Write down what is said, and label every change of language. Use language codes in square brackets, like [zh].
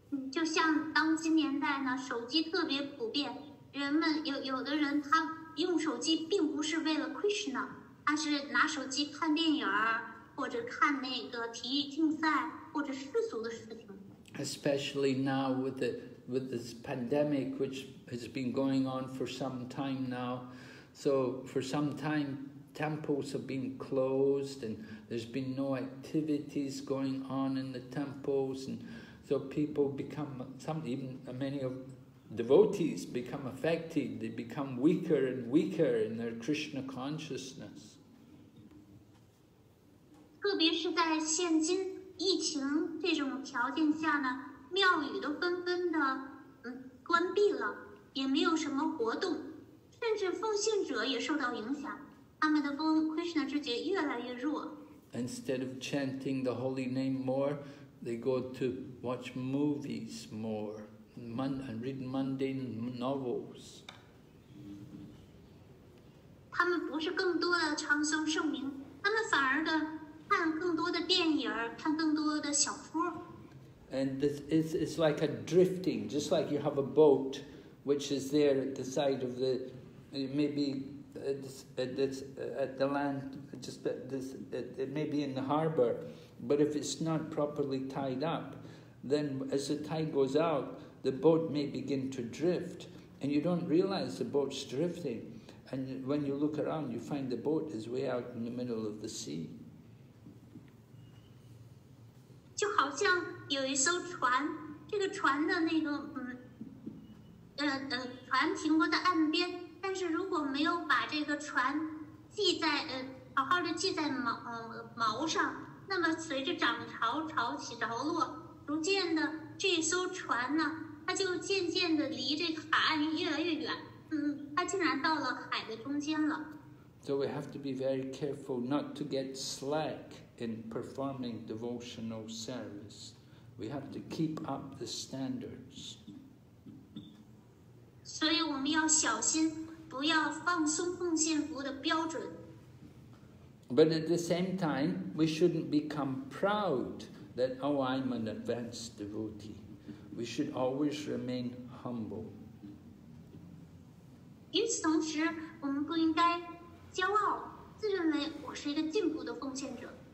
[zh] 就像当今年代呢，手机特别普遍，人们有的人他用手机并不是为了 Krishna， 他是拿手机看电影或者看那个体育竞赛或者世俗的事情。 [en] Especially now with this pandemic, which has been going on for some time now, so for some time. Temples have been closed and there's been no activities going on in the temples and so people become, many of devotees become affected, they become weaker and weaker in their Krishna consciousness. [zh] 特别是在现今疫情这种条件下呢，庙宇都纷纷的关闭了，也没有什么活动，甚至奉献者也受到影响。他们的 Krishna 知觉越来越弱。 [en] instead of chanting the holy name more, they go to watch movies more and read mundane novels. [zh] 他们不是更多的唱诵圣名，他们反而的看更多的电影，看更多的小说。 [en] And this is like a drifting, just like you have a boat, which is there at the side of the, maybe at the land, just at this, it may be in the harbor, but if it's not properly tied up, then as the tide goes out, the boat may begin to drift, and you don't realize the boat's drifting. And when you look around, you find the boat is way out in the middle of the sea. [zh] 就好像有一艘船，这个船的那个船停泊在岸边，但是如果没有把这个船系在好好的系在锚上，那么随着涨潮潮起潮落，逐渐的这艘船呢，它就渐渐的离这个海岸越来越远。 [en] So we have to be very careful not to get slack in performing devotional service. We have to keep up the standards. So we have to be very careful not to get slack in performing devotional service. But at the same time, we shouldn't become proud that, oh, I'm an advanced devotee. We should always remain humble. [zh] 与此同时，我们不应该骄傲，自认为我是一个进步的奉献者。